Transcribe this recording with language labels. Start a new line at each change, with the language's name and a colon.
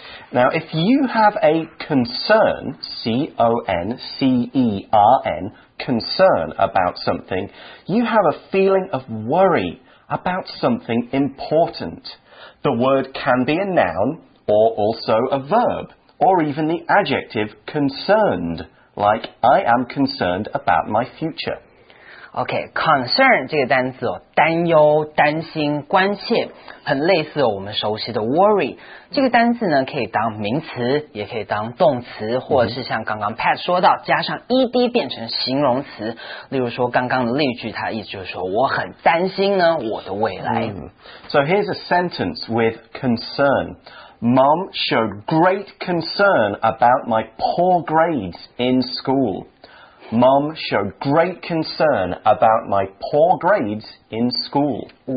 English: Now, if you have a concern, C-O-N-C-E-R-N, concern about something, you have a feeling of worry. About something important. The word can be a noun, or also a verb, or even the adjective concerned, like I am concerned about my future.
Chinese: Okay, concern 这个单词哦，担忧、担心、关切，很类似我们熟悉的 worry。这个单词呢，可以当名词，也可以当动词，或者是像刚刚 Pat 说到，加上 ed 变成形容词。例如说刚刚的例句，它意思就是说我很担心呢我的未来。
English: So here's a sentence with concern. Mom showed great concern about my poor grades in school. Mom showed great concern about my poor grades in school.